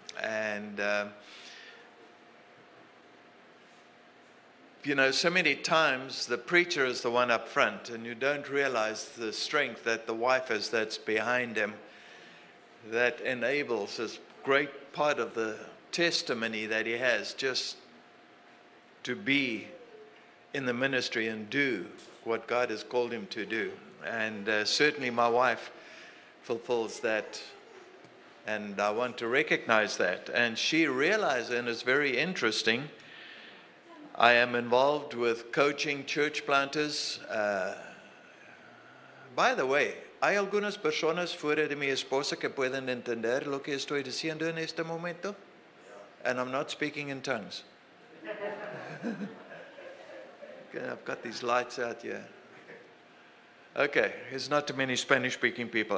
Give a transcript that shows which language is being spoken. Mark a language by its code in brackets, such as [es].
[en] And you know, so many times the preacher is the one up front, and you don't realize the strength that the wife is that's behind him, that enables this great part of the testimony that he has just to be in the ministry and do what God has called him to do. And certainly my wife fulfills that, and I want to recognize that. And she realizes, and it's very interesting, I am involved with coaching church planters. By the way, [es] hay algunas personas fuera de mi esposa que pueden entender lo que estoy diciendo en este momento? [en] And I'm not speaking in tongues. Okay, I've got these lights out here. Okay, there's not too many Spanish-speaking people.